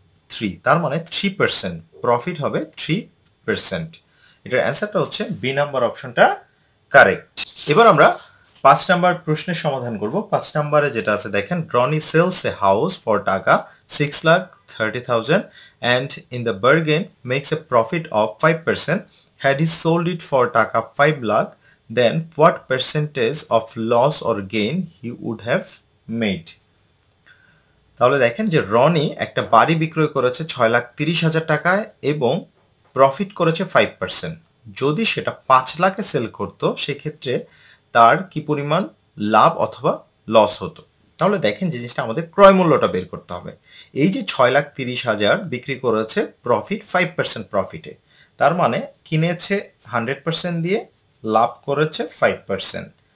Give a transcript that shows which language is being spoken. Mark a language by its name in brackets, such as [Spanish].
[Bangla] 3 তার মানে 3% প্রফিট হবে 3% এটার অ্যানসারটা হচ্ছে বি নাম্বার অপশনটা কারেক্ট এবার আমরা 5 নাম্বার প্রশ্নের সমাধান করব 5 নম্বরে যেটা আছে দেখেন [English] ড্রনি sells a house for taka 6,30,000 and in the bargain makes a profit of 5%. Had he sold it for taka 5 lakh, then what percentage of loss or gain he would have made? [Bangla] তাহলে দেখেন যে রনি একটা বাড়ি বিক্রয় করেছে 6,30,000 টাকায় এবং প্রফিট করেছে 5%. যদি সেটা 5 লাখে সেল করতো সেক্ষেত্রে তার কি পরিমাণ লাভ অথবা লস হতো তাহলে দেখেন যে জিনিসটা আমাদের ক্রয় মূল্যটা বের করতে হবে এই যে 6,30,000 বিক্রি করেছে প্রফিট 5% প্রফিটে তার মানে কিনেছে 100% দিয়ে লাভ করেছে 5%